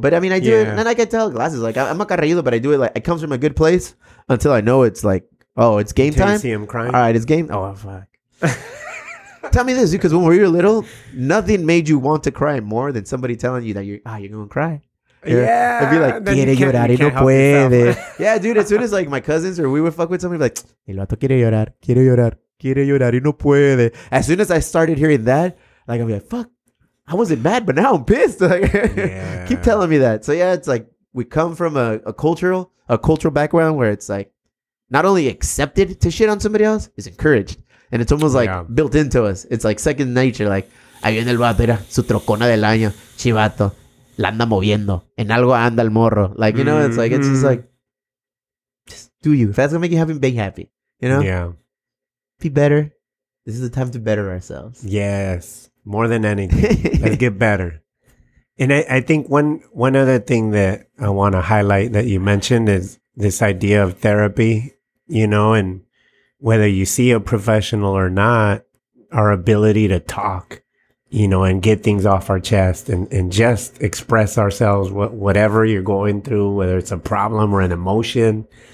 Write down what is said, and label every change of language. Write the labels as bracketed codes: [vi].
[en] But, I mean, I do it, and I can tell glasses, like, I'm a carrilludo, but I do it, like, it comes from a good place until I know it's, like, oh, it's game until time. You see him crying. All right, it's game. Oh, fuck. Tell me this, because when we were little, nothing made you want to cry more than somebody telling you that you're going to cry. Yeah. I'd be like, [es] quiere llorar y no puede. [en] Yeah, dude, as soon as, like, my cousins or we would fuck with somebody, be like, [es] el vato quiere llorar. Quiere llorar y no puede. [en] As soon as I started hearing that, like, I'd be like, fuck, I wasn't mad, but now I'm pissed. Like, keep telling me that. So, yeah, it's like we come from a cultural background where it's like not only accepted to shit on somebody else, it's encouraged. And it's almost like built into us. It's like second nature. [es] Like, ahí viene el vato, mira, su trocona del año, chivato, la anda moviendo, en algo anda el morro. [en] Like, you know, it's like, it's just like, just do you. If that's going to make you happy, be happy. You know? Yeah. Be better. This is the time to better ourselves. Yes, more than anything. Let's get better. And I think one other thing that I want to highlight that you mentioned is this idea of therapy, you know, and whether you see a professional or not, our ability to talk, you know, and get things off our chest and just express ourselves, whatever you're going through, whether it's a problem or an emotion,